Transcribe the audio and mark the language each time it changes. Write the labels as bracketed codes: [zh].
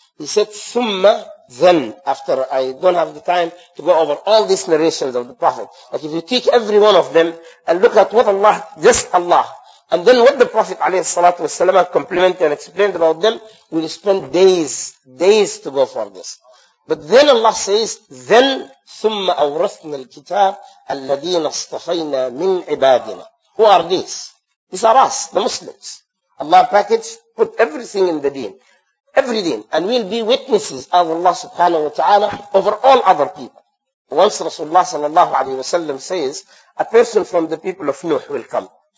[en] He said, ثُمَّ then, after I don't have the time to go over all these narrations of the Prophet. Like if you take every one of them and look at what Allah, just Allah, and then what the Prophet alayhi salatu wasalam complimented and explained about them, we'll spend days to go for this. But then Allah says, then, [ar] ثُمَّ أَوْرَثْنَا الْكِتَابَ الَّذِينَ اصْطَفَيْنَا مِنْ عِبَادِنَا. [en] Who are these? These are us, the Muslims. Allah packaged, put everything in the deen. Every deen. And we'll be witnesses of Allah subhanahu wa ta'ala over all other people. Once Rasulullah sallallahu alayhi wa sallam says, a person from the people of Nuh will come.